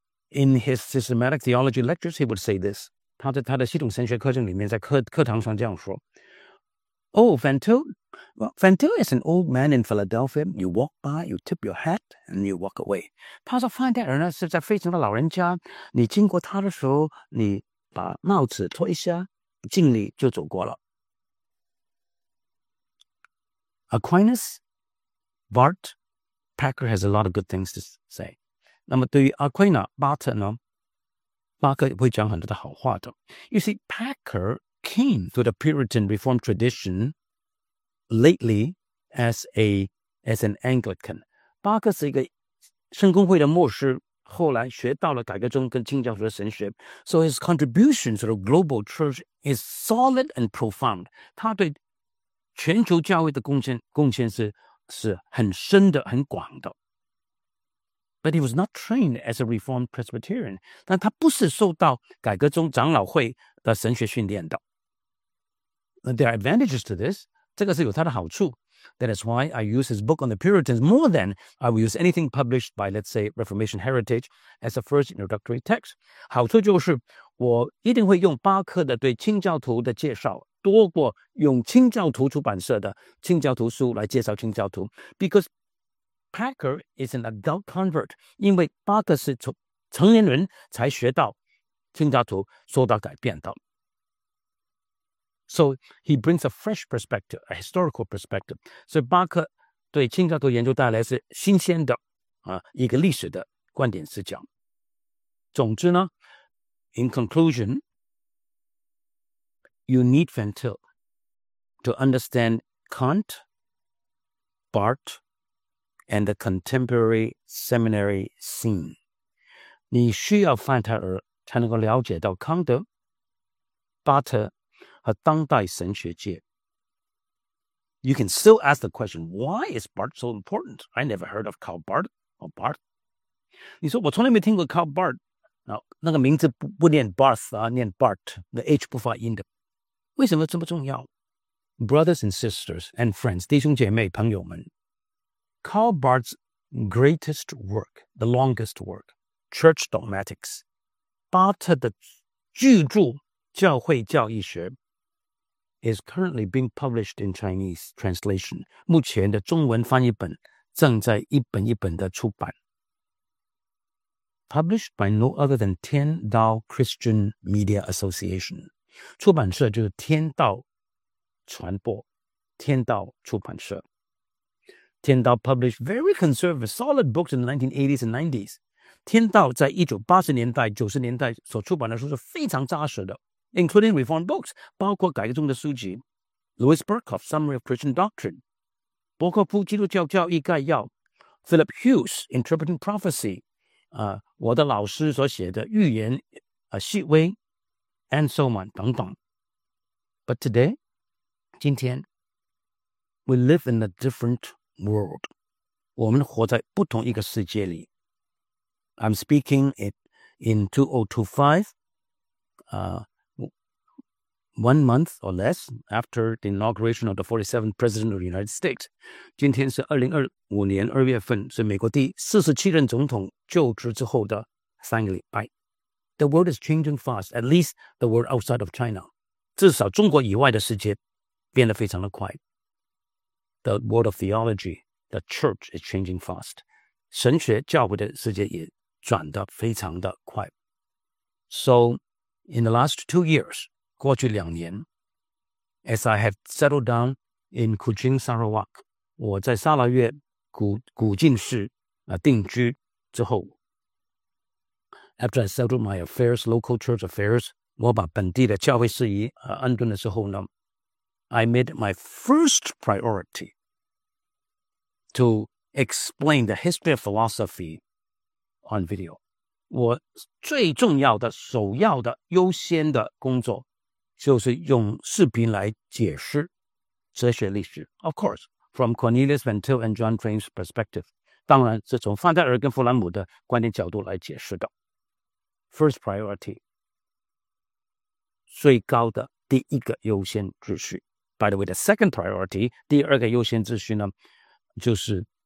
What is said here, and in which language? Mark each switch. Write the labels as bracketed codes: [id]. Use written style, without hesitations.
[en] in his systematic theology lectures, he would say this. [zh] 他在他的系统神学课程里面在课堂上这样说。 [en] Oh, Van Til? Well, Van Til is an old man in Philadelphia. You walk by, you tip your hat, and you walk away. [zh] 他说范泰尔呢是在费城的老人家，你经过他的时候，你把帽子脱一下，敬礼就走过了。 [en] Aquinas Bart, Packer has a lot of good things to say. [zh] 那么对于 Aquina, Bart 呢？巴克会讲很多的好话的。 [en] You see, Packer came to the Puritan Reformed tradition lately as an Anglican. [zh] 巴克是一个圣公会的牧师，后来学到了改革中跟清教徒的神学。 [en] So his contribution to the global church is solid and profound. [zh] 他对全球教会的贡献 是很深的，很广的。 [en] But he was not trained as a Reformed Presbyterian. [zh] 但他不是受到改革中长老会的神学训练的。 [en] There are advantages to this. [zh] 这个是有它的好处。 [en] That is why I use his book on the Puritans more than I would use anything published by, let's say, Reformation Heritage as a first introductory text. [zh] 好处就是我一定会用巴克的对清教徒的介绍多过用清教徒出版社的清教徒书来介绍清教徒。 [en] Because Packer is an adult convert, [zh] 因为巴克是成年人才学到清教徒受到改变的。 [en] So he brings a fresh perspective, a historical perspective. [zh] 所以巴克对清教徒研究带来是新鲜的、一个历史的观点视角。总之呢 [en] ,in conclusion, you need Van Til to understand Kant, Barth,and the contemporary seminary scene. [zh] 你需要范特尔才能够了解到康德、巴特和当代神学界。 [en] You can still ask the question, why is Barth so important? I never heard of Karl Barth or Barth. [zh] 你说我从来没听过 Karl Barth, 那个名字 不念 Barth, 念 Barth, 那 H 不发音的。为什么这么重要? [en] Brothers and sisters and friends, [zh] 弟兄姐妹朋友们。 [en] Karl Barth's greatest work, the longest work, Church Dogmatics. [zh] 巴特的巨著教会教义学 [en] is currently being published in Chinese translation. [zh] 目前的中文翻译本正在一本一本的出版。 [en] Published by no other than Tian Dao Christian Media Association. [zh] 出版社就是天道传播，天道出版社。 [en] 天道 published very conservative, solid books in the 1980s and 90s. [zh] 天道在1980年代、90年代所出版的书是非常扎实的 [en] including Reformed books, [zh] 包括改革中的书籍 [en] Louis Burkhoff's Summary of Christian Doctrine, [zh] 伯克夫基督教教义概要 [en] Philip Hughes' Interpreting Prophecy, [zh] 我的老师所写的预言细微 [en] and so on, [zh] 等等 [en] But today, [zh] 今天 [en] we live in a differentworld. [zh] 我们活在不同一个世界里。 [en] I'm speaking it in 2025, one month or less after the inauguration of the 47th President of the United States. [zh] 今天是2025年2月份，是美国第47任总统就职之后的三个礼拜。 [en] The world is changing fast, at least the world outside of China. [zh] 至少中国以外的世界变得非常的快。 [en] The world of theology, the church is changing fast. [zh] 神学教会的世界也转得非常的快。 [en] So, in the last 2 years, [zh] 过去两年, [en] as I have settled down in Kuching, Sarawak, [zh] 我在沙拉越古晋市定居之后, [en] after I settled my affairs, local church affairs, [zh] 我把本地的教会事宜安顿的时候呢, [en] I made my first priority. To explain the history of philosophy on video. [zh] 我最重要的、首要的、优先的工作就是用视频来解释哲学历史。 [en] Of course, from Cornelius Van Til and John Frame's perspective. [zh] 当然是从范戴尔跟弗兰姆的观点角度来解释的。 [en] First priority. [zh] 最高的第一个优先秩序。 [en] By the way, the second priority, [zh] 第二个优先秩序呢就是